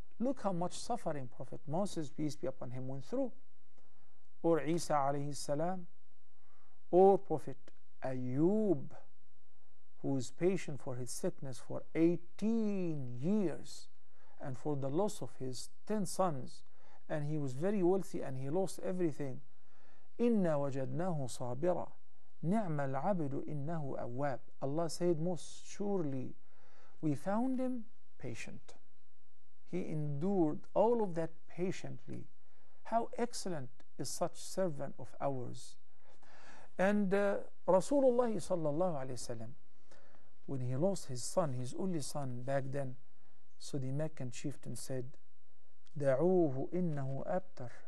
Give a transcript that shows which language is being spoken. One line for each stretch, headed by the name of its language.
English: Look how much suffering Prophet Moses, peace be upon him, went through, or Isa alayhi salam, or Prophet Ayyub, who is patient for his sickness for 18 years and for the loss of his 10 sons, and he was very wealthy and he lost everything.
Arabic: Inna wajadnahu sabira نعم العبد إنه أواب.
English: Allah said, most surely we found him patient. He endured all of that patiently. How excellent is such servant of ours. And Rasulullah sallallahu alayhi wasallam, when he lost his son, his only son back then, so the Meccan chieftain said,
Arabic: دعوه إنه أبتر.